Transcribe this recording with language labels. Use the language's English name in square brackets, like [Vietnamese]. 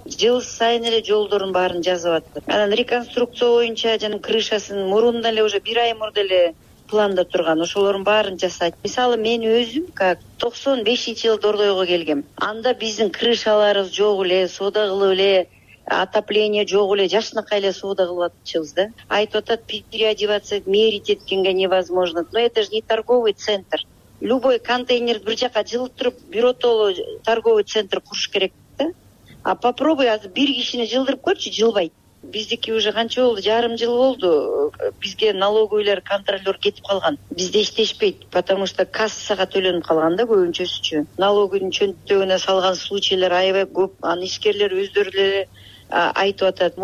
[Kyrgyz] Жыл сайын эле жолдордун баарын жазып атты. Анан реконструкция боюнча жана крышасын мурунда эле уже бир ай мурда эле планда турган ошолордун баарын жасайт. Мисалы мен өзүм как 95-жылы Дордойго келгем. Анда биздин крышаларыбыз жок эле, соода кылып эле отопление жок эле, жакшынакай эле соода кылып атчыбыз да. Айтып атат, [Russian] переодеваться мерить [Kyrgyz] эткенге [Russian] невозможно. Но это же не торговый центр. Любой контейнер [Kyrgyz] бир жака жылдырып, бир отоло [Russian] торговый центр [Kyrgyz] куруш керек да. [Russian] А попробуй [Kyrgyz] азыр бир кишини жылдырып көрчү, жылбайт. Биздики уже канча болду, жарым жыл болду. Бизге налоговыйлар, контролер кетип калган. Бизде иштешпейт, [Russian] потому что [Kyrgyz] кассага төлөнүп калган да көбүнчөсүчү. Налогунун чөнтөгүнө салган случайлар аябай көп. Анын ишкерлери өздөрү эле айтып атат.